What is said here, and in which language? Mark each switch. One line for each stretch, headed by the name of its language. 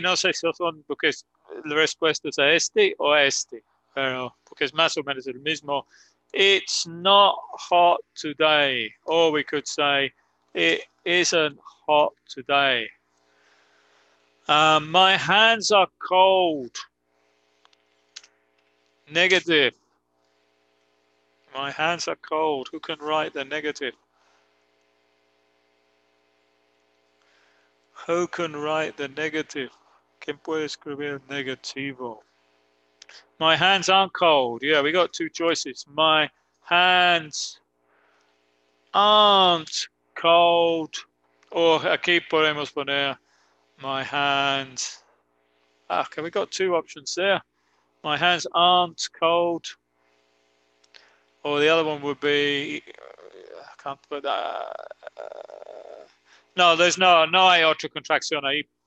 Spanish: No sé si son porque las respuestas a este o a este. Pero, porque es más o menos el mismo.
English: It's not hot today. Or we could say, it isn't hot today. My hands are cold. Negative. My hands are cold. Who can write the negative? Who can write the negative?
Spanish: ¿Quién puede escribir negativo?
English: My hands aren't cold. Yeah, we got two choices. My hands aren't cold.
Spanish: Or aquí podemos poner my hands.
English: Okay, we got two options there. My hands aren't cold. Or the other one would be, I can't put that.
Spanish: No,
English: there's no,
Spanish: no hay otra contracción ahí.